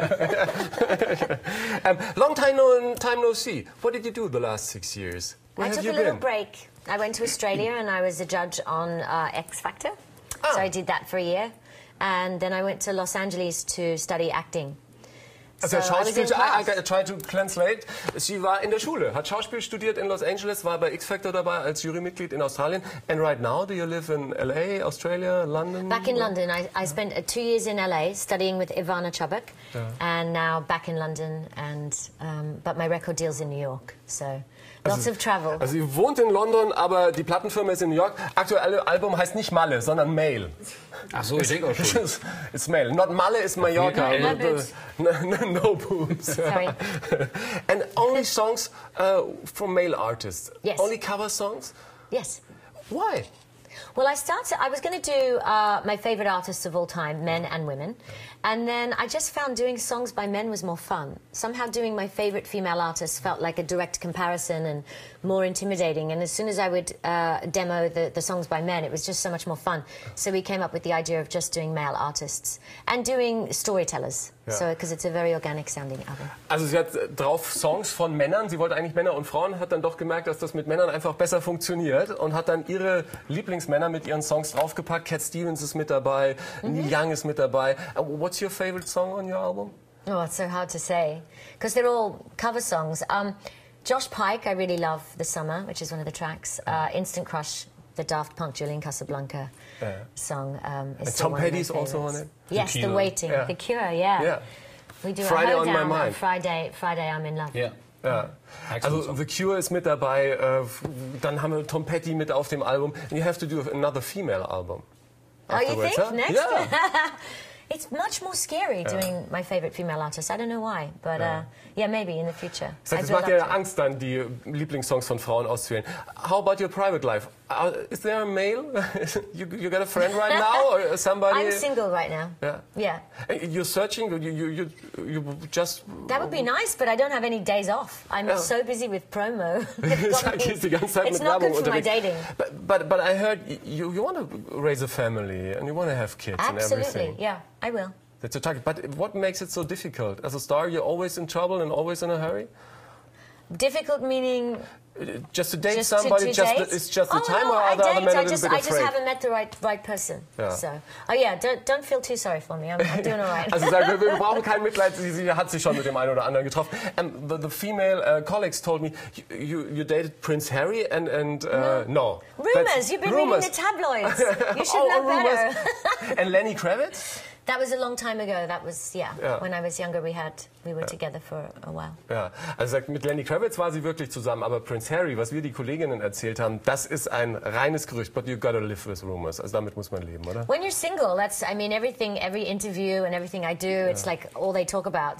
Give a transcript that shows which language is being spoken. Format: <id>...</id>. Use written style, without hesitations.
<en>Yeah. long time no see. What did you do the last 6 years? Where I have took you a been? Little break. I went to Australia and I was a judge on X Factor. Oh. So I did that for a year. And then I went to Los Angeles to study acting.</en> <de>Also sie war in der Schule, hat Schauspiel studiert in Los Angeles, war bei X Factor dabei als Jurymitglied in Australien.</de> <en>And right now, do you live in LA, Australia, London? Back in London. I spent 2 years in LA studying with Ivana Chubbuck. And now back in London. But my record deal's in New York. So lots of travel.</en> <de>Also sie wohnt in London, aber die Plattenfirma ist in New York. Aktuelle Album heißt nicht Malle, sondern Mail. Ach so, ich denke auch schon.</de> <en>It's Mail. Not Malle, it's Mallorca. No boobs. No boobs. Sorry. And only songs from male artists. Yes. Only cover songs? Yes. Why? Well, I was going to do my favorite artists of all time, men and women. And then I just found doing songs by men was more fun. Somehow doing my favorite female artists felt like a direct comparison and more intimidating. And as soon as I would demo the songs by men, it was just so much more fun. So we came up with the idea of just doing male artists and doing storytellers.</en> <de>Ja.</de> <en>So, because it's a very organic sounding album.</en> <de>Also sie hat drauf Songs von Männern, sie wollte eigentlich Männer und Frauen, hat dann doch gemerkt, dass das mit Männern einfach besser funktioniert und hat dann ihre Lieblingsmänner mit ihren Songs draufgepackt. Cat Stevens ist mit dabei, Neil Young ist mit dabei.</de> <en>What's your favorite song on your album? Oh, it's so hard to say, because they're all cover songs. Josh Pike, I really love The Summer, which is one of the tracks. Instant Crush, the Daft Punk, Julian Casablanca song. And Tom Petty is also on it. Yes, The Waiting. Yeah. The Cure, yeah. We do Friday a On My Mind. Friday I'm In Love. Yeah.</en> <de>Yeah. Also The Cure ist mit dabei. Dann haben wir Tom Petty mit auf dem Album.</de> <en>And you have to do another female album. Oh, you think? Huh? Next? Yeah. It's much more scary doing my favorite female artist. I don't know why, but maybe in the future.</en> <de>Es macht dir Angst dann, die Lieblingssongs von Frauen auszuwählen.</de> <en>How about your private life? Is there a male? you got a friend right now or somebody? I'm single right now. Yeah. You're searching? You just... That would be nice, but I don't have any days off. I'm so busy with promo. It's not good for my dating. But I heard you want to raise a family and you want to have kids. Absolutely, and everything. Absolutely, yeah. I will. That's a target. But what makes it so difficult? As a star, you're always in trouble and always in a hurry? Difficult meaning... Just to date just somebody, to just it's just the oh, time no, or are I other men I just, a bit afraid? I just haven't met the right person. Yeah. So, oh yeah, don't feel too sorry for me. I'm doing all right.</en> <de>Also, sag, wir brauchen kein Mitleid. Sie hat sich schon mit dem einen oder anderen getroffen.</de> <en>The female colleagues told me you dated Prince Harry and no. Rumors. You've been reading the tabloids. You should know better. And Lenny Kravitz. That was a long time ago. That was, yeah. When I was younger, we were together for a while.</en> <de>Ja, also mit Lenny Kravitz war sie wirklich zusammen, aber Prince Harry, was wir die Kolleginnen erzählt haben, das ist ein reines Gerücht. But you gotta live with rumors. Also damit muss man leben, oder?</de> <en>When you're single, everything, every interview and everything I do, it's like all they talk about.</en>